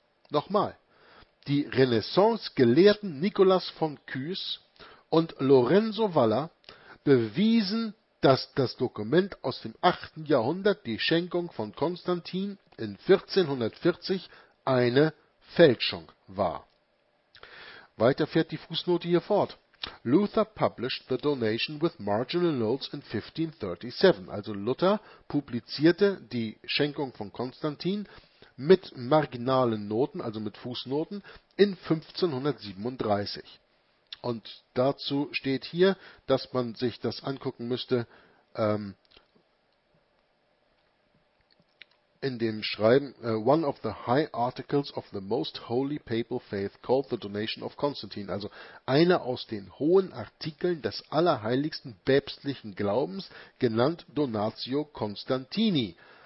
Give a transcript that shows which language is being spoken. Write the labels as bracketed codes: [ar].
[de] Nochmal, die Renaissance-Gelehrten Nicolas von Cues und Lorenzo Valla bewiesen, dass das Dokument aus dem 8. Jahrhundert, die Schenkung von Konstantin in 1440, eine Fälschung war. Weiter fährt die Fußnote hier fort. [en] Luther published the donation with marginal notes in 1537. [de] Also Luther publizierte die Schenkung von Konstantin mit marginalen Noten, also mit Fußnoten, in 1537. Und dazu steht hier, dass man sich das angucken müsste, in dem Schreiben, [en] one of the high articles of the most holy papal faith called the donation of Constantine, [de] also einer aus den hohen Artikeln des allerheiligsten päpstlichen Glaubens, genannt Donatio Constantini.